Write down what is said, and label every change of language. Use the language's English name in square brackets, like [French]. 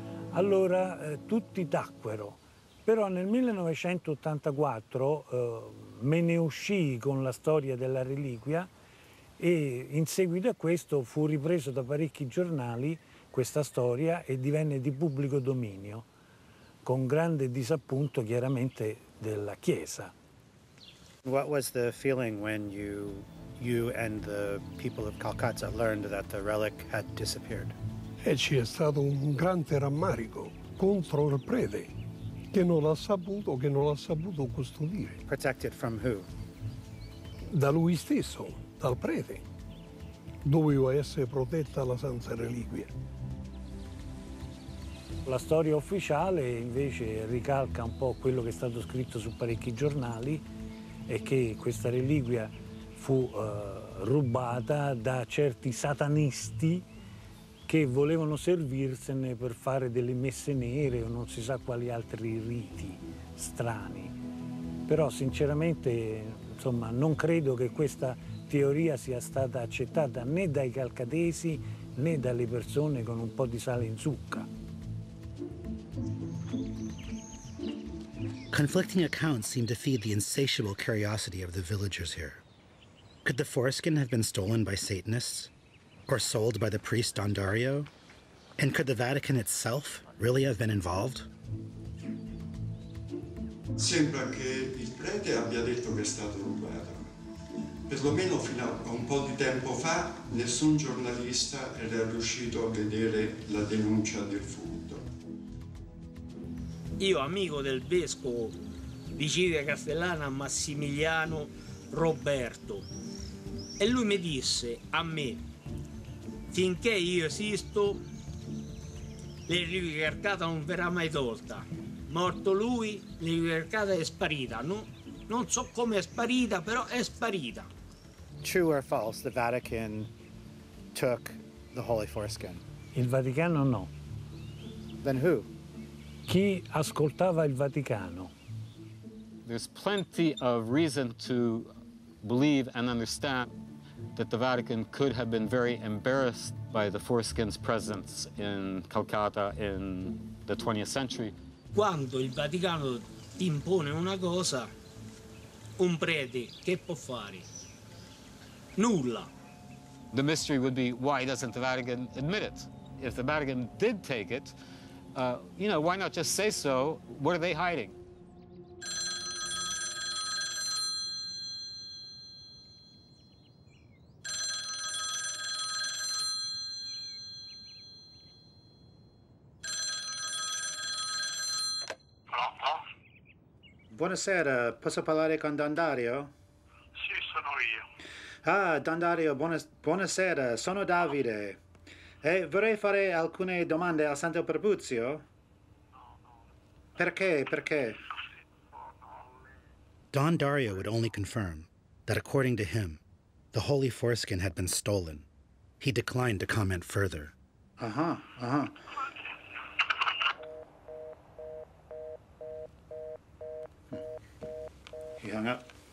[Italian] Allora tutti tacquero. Però nel 1984 me ne uscii con la storia della reliquia e in seguito a questo fu ripreso da parecchi giornali questa storia e divenne di pubblico dominio, con grande disappunto chiaramente della Chiesa. [English] What was the feeling when you and the people of Calcutta learned that the relic had disappeared? [Italian] E ci è stato un grande rammarico contro il prete che non l'ha saputo custodire. [English] Protected from who? [Italian] Da lui stesso, dal prete. Doveva essere protetta la santa reliquia. La storia ufficiale invece ricalca un po' quello che è stato scritto su parecchi giornali. È che questa reliquia fu rubata da certi satanisti che volevano servirsene per fare delle messe nere o non si sa quali altri riti strani. Però sinceramente, insomma, non credo che questa teoria sia stata accettata né dai calcadesi né dalle persone con un po' di sale in zucca. [English] Conflicting accounts seem to feed the insatiable curiosity of the villagers here. Could the foreskin have been stolen by Satanists or sold by the priest Don Dario? And could the Vatican itself really have been involved? [Italian] Sembra che il prete abbia detto che è stato rubato. Perlomeno fino a un po' di tempo fa, nessun giornalista era riuscito a vedere la denuncia del furto. Io, amico del vescovo di Civita Castellana, Massimiliano Roberto, e lui mi disse a me, finché io esisto, la reliquia arcata non verrà mai tolta. Morto lui, la reliquia arcata è sparita. Non so come è sparita, però è sparita. [English] True or false, the Vatican took the Holy Foreskin? [Italian] Il Vaticano no. [English] Then who? [Italian] Chi ascoltava il Vaticano? [English] There's plenty of reason to believe and understand that the Vatican could have been very embarrassed by the foreskin's presence in Calcutta in the 20th century. [Italian] Quando il Vaticano ti impone una cosa, un prete che può fare? Nulla. [English] The mystery would be, why doesn't the Vatican admit it? If the Vatican did take it, you know, why not just say so? What are they hiding? [Italian] Buonasera, posso parlare con Don Dario? Sì, sono io. Ah, Don Dario, buonasera, sono Davide. E vorrei fare alcune domande al Santo Perpuzio? No. Perché? [English] Don Dario would only confirm that according to him, the Holy Foreskin had been stolen. He declined to comment further. He hung up.